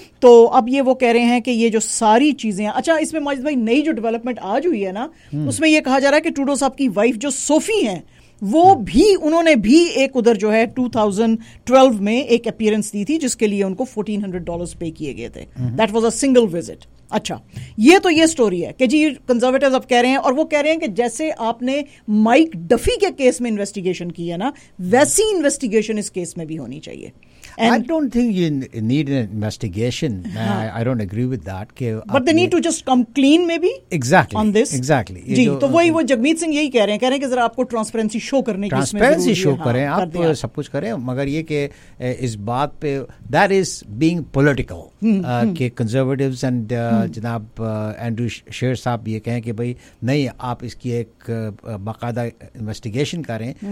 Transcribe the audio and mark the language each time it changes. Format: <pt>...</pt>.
<ur>تو اب یہ وہ کہہ رہے ہیں کہ یہ جو ساری چیزیں, اچھا اس میں ماجد بھائی نئی جو ڈیولپمنٹ آج ہوئی ہے نا, اس میں یہ کہا جا رہا ہے کہ ٹروڈو صاحب کی وائف جو سوفی ہیں وہ بھی, انہوں نے بھی ایک ادھر جو ہے 2012 میں ایک اپیئرنس دی تھی جس کے لیے ان کو $1400 پے کیے گئے تھے.</ur> <en>That was a single visit.</en> <ur>اچھا یہ تو یہ سٹوری ہے کہ جی کنزرویٹیوز اب کہہ رہے ہیں, اور وہ کہہ رہے ہیں کہ جیسے آپ نے مائک ڈفی کے کیس میں انویسٹیگیشن کی ہے نا, ویسی انویسٹیگیشن اس کیس میں بھی ہونی چاہیے.</ur> <en>And I don't think you need an investigation. I don't agree with that. But they need to just come clean maybe? Exactly. On this? Exactly.</en> <ur>جی تو وہی وہ جگمیت سنگھ یہی کہہ رہے ہیں, کہہ رہے ہیں کہ ذرا آپ کو ٹرانسپیرنسی شو کرنے کی, ٹرانسپیرنسی شو کریں, آپ سب کچھ کریں, مگر یہ کہ اس بات پہ</ur> <en>that is being political</en> <ur>کہ کنزرویٹیوز اینڈ جناب اینڈرو شیر صاحب یہ کہیں کہ بھائی نہیں آپ اس کی ایک باقاعدہ انویسٹیگیشن کریں.</ur>